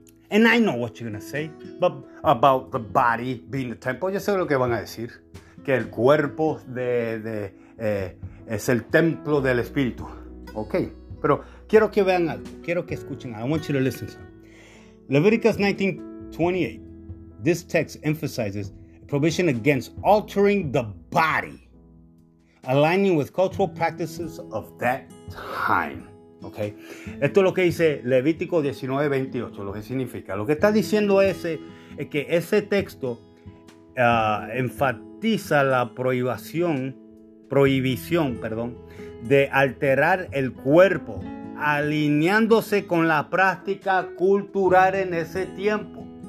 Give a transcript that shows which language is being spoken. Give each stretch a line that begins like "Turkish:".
English: And I know what you're going to say but about the body being the temple.
Spanish: Yo sé lo que van a decir. Que el cuerpo es el templo del espíritu. Okay. Pero quiero que vean algo. Quiero que escuchen algo.
English: I want you to listen to something. Leviticus 19:28. This text emphasizes prohibition against altering the body, aligning with cultural practices of that time.
Spanish: Okay. Esto es lo que dice Levítico 19:28. Lo que significa. Lo que está diciendo ese es que ese texto enfatiza la prohibición, de alterar el cuerpo, alineándose con la práctica cultural en ese tiempo.